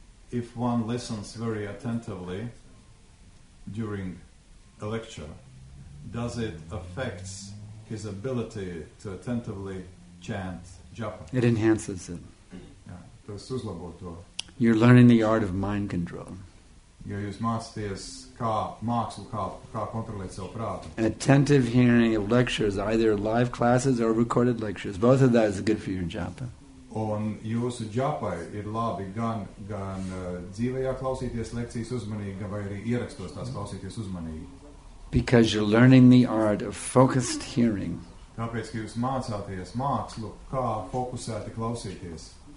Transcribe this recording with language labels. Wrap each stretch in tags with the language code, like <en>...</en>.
<en>If one listens very attentively during a lecture, does it affect his ability to attentively chant japa? It enhances it.</en> <lv>Tas uzlabo to.</lv> <en>You're learning the art of mind control.</en> <lv>Jo jūs mācāties kā mākslu, kā kontrolēt savu prātu.</lv> <en>Attentive hearing of lectures, either live classes or recorded lectures, both of that is good for your japa.</en> <lv>Un jūsu džapai ir labi gan dzīvajā klausīties lekcijas uzmanīgi, vai arī ierakstos tās klausīties uzmanīgi.</lv> <en>Because you're learning the art of focused hearing.</en> <lv>Tāpēc, ka jūs mācāties mākslu, kā fokusēti klausīties.</lv>